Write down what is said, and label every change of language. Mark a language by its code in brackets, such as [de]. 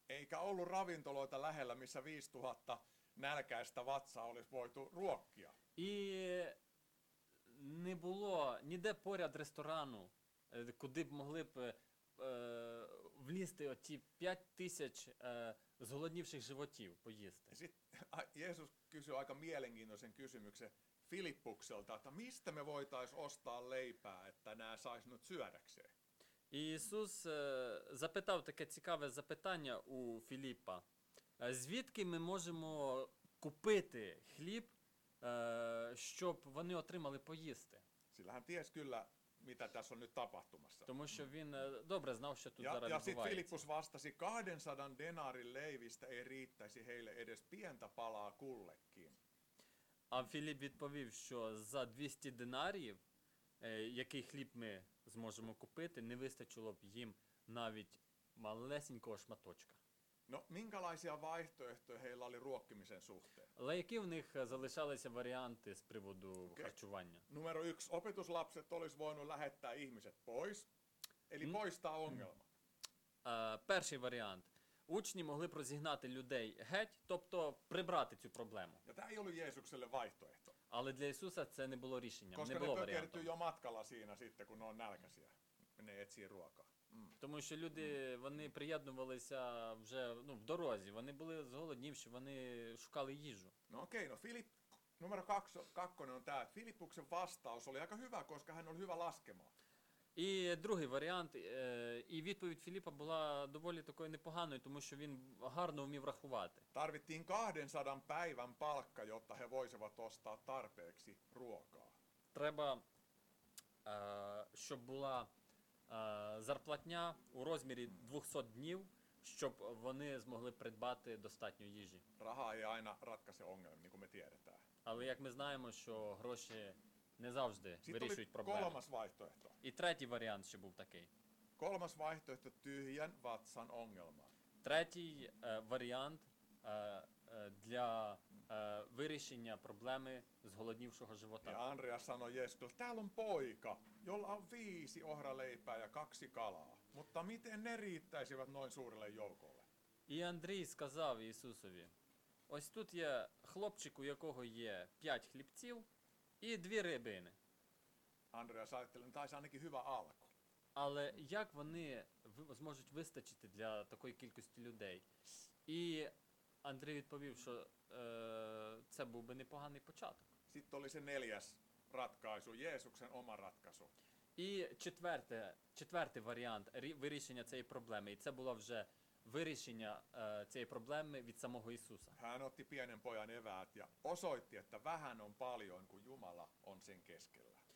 [fi] Eikä ollut ravintoloita lähellä, missä 5000 nälkäistä vatsaa olisi voitu ruokkia. [uk] І не було ніде поряд ресторану, куди б могли б влізти оті 5000 зголоднівших животів поїсти. [fi] Jeesus kysyi aika mielenkiintoisen kysymyksen Filippukselta, että mistä me voitais ostaa leipää, että nämä sais nyt syödäkseen. [uk] Jeesus запитав таке цікаве запитання у Філіппа. Звідки ми можемо купити хліб, щоб вони отримали поїсти? [fi] Sillä hän ties kyllä, mitä tässä on nyt tapahtumassa. [uk] Тому що він добре знав, що тут зараз відбувається. [fi] Ja Filippus vastasi, 200 denarin leivistä ei riittäisi heille edes pientä palaa kullekin. [uk] А Філіп відповів, що за 200 динарів, який хліб ми зможемо купити, не вистачило б їм навіть малесенького шматочка. [fi] No, minkälaisia vaihtoehtoja heillä oli ruokkimisen suhteen? [uk] Але які в них залишалися варіанти з приводу харчування? [fi] Numero 1. Opetuslapset olisi voinut lähettää ihmiset pois, eli poistaa ongelma. [uk] Перший варіант. Учні могли б розігнати людей геть, тобто прибрати цю проблему. [fi] Ja tämä ei ollut Jeesukselle vaihtoehto. [uk] Але для Ісуса це не було рішенням, [fi] koska [uk] не було варіанту. [fi] Koska ne pökertyy jo matkalla siinä sitten, kun ne on nälkäisiä, ne etsii ruokaa. [uk] Тому що люди, вони приєднувалися вже, ну, в дорозі, вони були зголоднівші, вони шукали їжу. [fi] No okei, okay, no Filipp, numero 2 on tää, Filippuksen vastaus oli aika hyvä, koska hän on hyvä laskemaan. [uk] І другий варіант, і відповідь Філіппа була доволі такою непоганою, тому що він гарно вмів рахувати. [fi] Tarvittiin 200 päivän palkka, jotta he voisivat ostaa tarpeeksi ruokaa. [uk] Треба, щоб була зарплатня у розмірі 200 днів, щоб вони змогли придбати достатньо їжі. [fi] Raha ei aina ratkaise ongelmia, niin kuin me tiedetään. [uk] Але як ми знаємо, що гроші не завжди вирішують проблеми. [fi] Kolmas vaihtoehto. [uk] І третій варіант ще був такий. [fi] Kolmas vaihtoehto tyhjän vatsan ongelma. [uk] Третій варіант для вирішення проблеми зголоднівшого живота. [fi] Ja Andreas sanoi Jeesukselle, täällä on poika, jolla on 5 ohraleipää ja 2 kalaa. Mutta miten ne riittäisivät noin suurelle joukolle? [uk] І Андрій сказав Ісусові, ось тут є хлопчик, у якого є 5 хлібців і 2 рибини. [fi] Andreas ajatteli, että taisi ainakin hyvä alku. [uk] Але як вони зможуть вистачити для такої кількості людей? І Андрій відповів, що це був би непоганий початок. [fi] Sitten oli se neljäs ratkaisu, Jeesuksen oma ratkaisu. [uk] І четвертий варіант вирішення цієї проблеми. І це було вже вирішення цієї проблеми від самого Ісуса. [fi] Hän otti pienen pojan eväät ja osoitti, että vähän on paljon, kun Jumala on sen keskellä.